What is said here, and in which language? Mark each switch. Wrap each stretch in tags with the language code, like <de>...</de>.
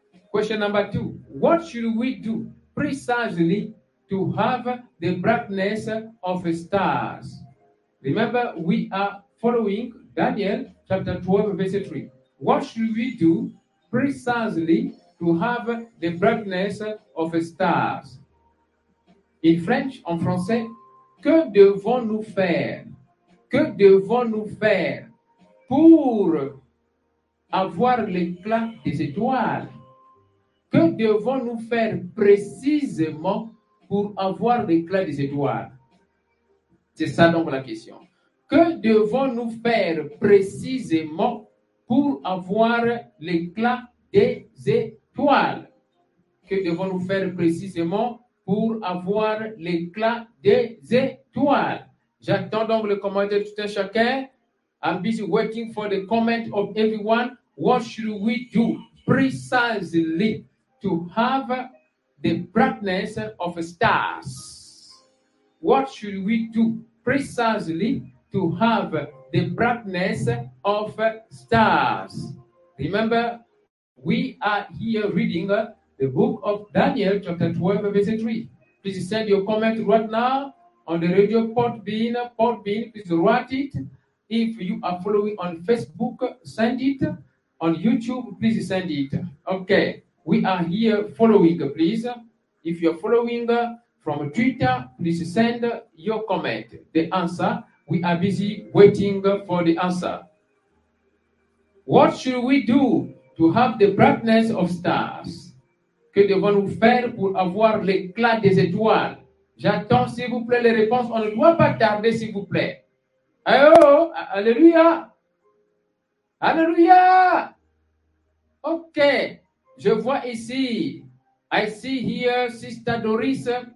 <en>Question number two. What should we do precisely to have the brightness of stars? Remember, we are following Daniel chapter 12, verse 3. What should we do precisely to have the brightness of stars? In French,</en> <fr>en français, que devons-nous faire? Que devons-nous faire pour avoir l'éclat des étoiles? Que devons-nous faire précisément pour avoir l'éclat des étoiles? C'est ça donc la question. Que devons-nous faire précisément pour avoir l'éclat des étoiles? Que devons-nous faire précisément pour avoir l'éclat des étoiles? J'attends donc le commentaire de tout un chacun.</fr> <en>I'm busy waiting for the comment of everyone. What should we do precisely to have the brightness of stars? What should we do precisely to have the brightness of stars? Remember, we are here reading the book of Daniel, chapter 12, verse 3. Please send your comment right now on the radio Podbean, please write it. If you are following on Facebook, send it. On YouTube, please send it. Okay, we are here following, please. If you are following from Twitter, please send your comment, the answer. We are busy waiting for the answer. What should we do to have the brightness of stars?</en> <fr>Que devons-nous faire pour avoir l'éclat des étoiles? J'attends, s'il vous plaît, les réponses. On ne doit pas tarder, s'il vous plaît. Allô? Alléluia! Alléluia!</fr> <en>Ok,</en> <fr>je vois ici.</fr> <en>I see here Sister Doris.</en>